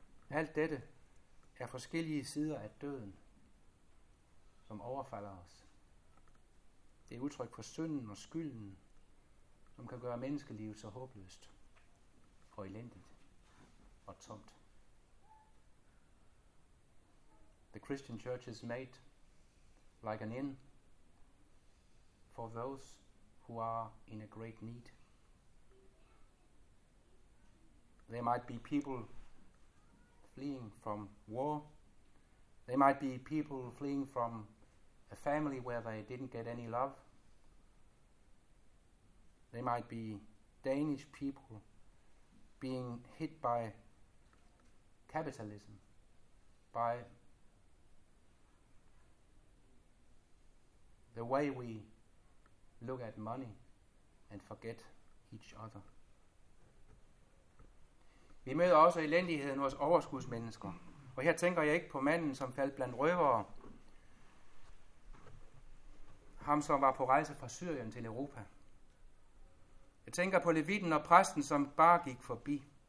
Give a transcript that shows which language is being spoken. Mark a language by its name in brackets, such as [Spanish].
[Danish] Alt dette er forskellige sider af døden, som overfalder os. Det er udtryk for synden og skylden, som kan gøre menneskelivet så håbløst og elendigt og tomt. [English] The Christian Church is made like an inn for those who are in a great need. There might be people fleeing from war. There might be people fleeing from a family where they didn't get any love. They might be Danish people being hit by capitalism, by the way we look at money and forget each other. [Danish] Vi møder også elendigheden hos overskudsmennesker. Og her tænker jeg ikke på manden, som faldt blandt røvere. Ham, som var på rejse fra Syrien til Europa. Jeg tænker på levitten og præsten, som bare gik forbi.